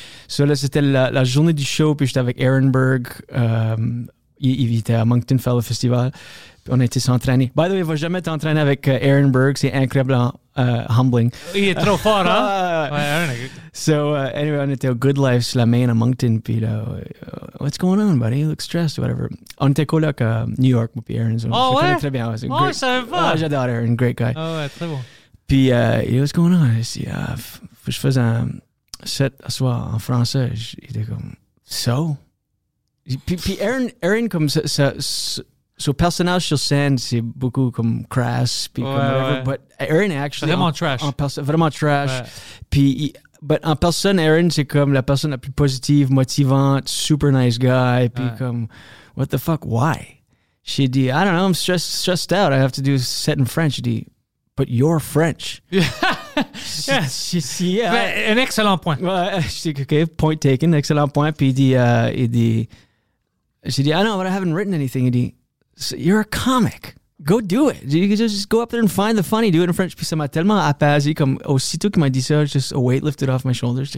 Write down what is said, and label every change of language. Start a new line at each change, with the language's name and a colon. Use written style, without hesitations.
French: So, là, c'était la journée du show, puis j'étais avec Aaron Berg. Il était à Moncton Fellow Festival. Puis on a été s'entraîner.
English: By the way,
French: il ne va jamais t'entraîner avec Aaron Berg. C'est incroyable, humbling. Il est trop fort, hein? Ouais, Aaron. So, anyway, on était au Good Life sur la main à Moncton. Puis là,
English: what's going on, buddy? You look stressed, whatever.
French: On était coloc à New York, puis Aaron. Oh, ouais? Très bien. Ouais, oh, ça va pas. Oh, j'adore Aaron.
English: Great guy.
French: Oh, ouais, très bon.
English: Puis, what's going on?
French: Je dis, je faisais un set à soi en français. Il était comme, so? Puis Aaron comme son personnage sur scène, c'est beaucoup comme crass, puis ouais, comme
English: whatever. Ouais. But Aaron actually
French: vraiment trash. Vraiment trash. Puis, but en personne, Aaron, c'est comme la personne la plus positive, motivante,
English: super nice guy.
French: Puis comme,
English: what the fuck, why? She dit, I don't know, I'm stressed out. I have to do a set in French. She dit, but you're French.
French: Yeah. Ben, un excellent point. Ouais, je dis, OK,
English: point taken,
French: excellent point. Puis il dit,
English: I know, but I haven't written anything.
French: Il dit,
English: so you're a comic. Go do it. You can just go up there and find the funny. Do it in French.
French: Puis ça m'a tellement apaisé. Comme aussitôt qu'il m'a dit ça,
English: just a weight lifted off my shoulders.